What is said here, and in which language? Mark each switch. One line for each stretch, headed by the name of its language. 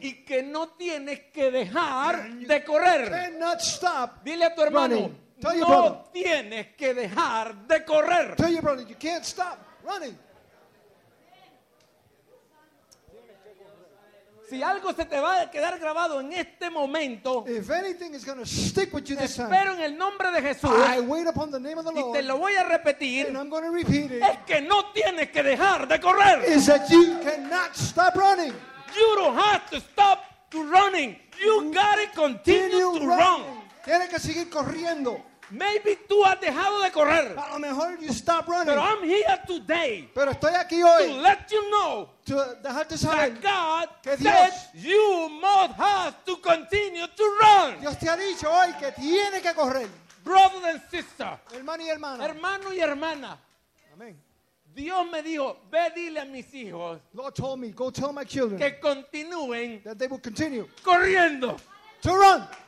Spanish: Y que no tienes que dejar de correr.
English: Cannot stop.
Spanish: Dile a tu hermano.
English: Tell your brother,
Spanish: tienes que dejar de correr.
English: Tell your brother, you can't stop running.
Spanish: Si algo se te va a quedar grabado en este momento,
English: if anything is going to stick with you this time,
Spanish: espero en el nombre de Jesús,
English: I wait upon the name of the Lord,
Spanish: y te lo voy a repetir,
English: and I'm going to repeat it,
Spanish: es que no tienes que dejar de correr.
English: Is that you cannot stop running. You don't have to stop to running. You got to continue to run.
Spanish: Tienes que seguir corriendo. Maybe tú has dejado de correr. A lo mejor
English: you stop running. Pero I'm here today.
Spanish: Pero estoy aquí hoy.
English: To let you know.
Spanish: To dejarte saber.
English: That God
Spanish: que Dios
English: said you must have to continue to run.
Spanish: Dios te ha dicho hoy que tiene que correr.
English: Brother and sister.
Spanish: Hermano y hermana. Hermano y hermana. Amén. Dios me dijo, ve dile a mis hijos.
English: Lord told me, go tell my children.
Spanish: Que continúen.
English: That they will continue.
Spanish: Corriendo.
English: To run.